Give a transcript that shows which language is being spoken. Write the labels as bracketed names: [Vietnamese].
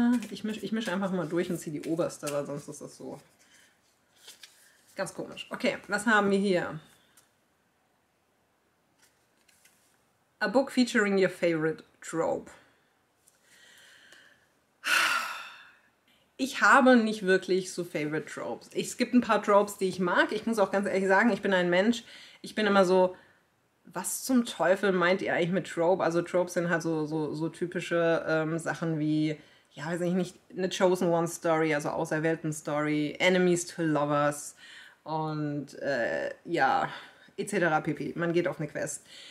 [German] Ich misch einfach mal durch und ziehe die oberste, weil sonst ist das so ganz komisch. Okay, was haben wir hier? [English] A book featuring your favorite trope. [German] Ich habe nicht wirklich so favorite tropes. Es gibt ein paar tropes, die ich mag. Ich muss auch ganz ehrlich sagen, ich bin ein Mensch. Ich bin immer so, was zum Teufel meint ihr eigentlich mit Trope? Also Tropes sind halt so typische Sachen wie, ja, weiß ich nicht, eine Chosen One Story, also auserwählten Story, Enemies to Lovers und ja, etc. pp. Man geht auf eine Quest.